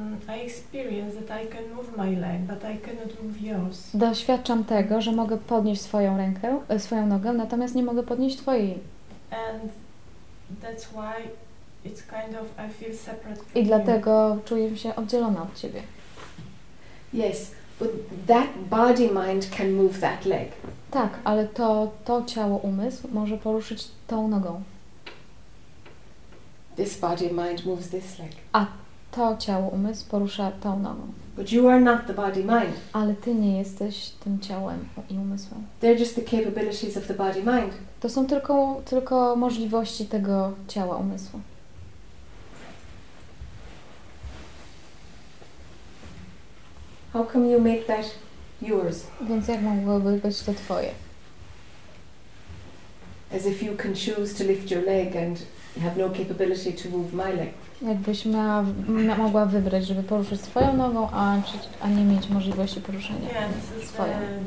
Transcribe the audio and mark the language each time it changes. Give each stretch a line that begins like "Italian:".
English: I experience that I can move my leg, but I cannot move yours.
Polish: Doświadczam tego, że mogę podnieść swoją rękę, swoją nogę, natomiast nie mogę podnieść twojej.
English: And that's why it's kind of I feel separate from
Polish: I dlatego you. Czuję się oddzielona od ciebie.
English: Yes, but that body mind can move that leg.
Polish: Tak, ale to ciało umysł może poruszyć tą nogą.
English: This body mind moves this leg.
Polish: A to ciało umysł porusza tą nogą.
English: But you are not the body mind.
Polish: Ale ty nie jesteś tym ciałem i umysłem.
English: They're just the capabilities of the body mind.
Polish: To są tylko możliwości tego ciała umysłu.
English: How come you make that yours?
Polish: Więc jak mogłoby być to twoje?
English: As if you can choose to lift your leg and you have no capability to move my leg.
Polish: Jakbyś mogła wybrać, żeby poruszyć swoją nogą, a nie mieć możliwości poruszenia swoją.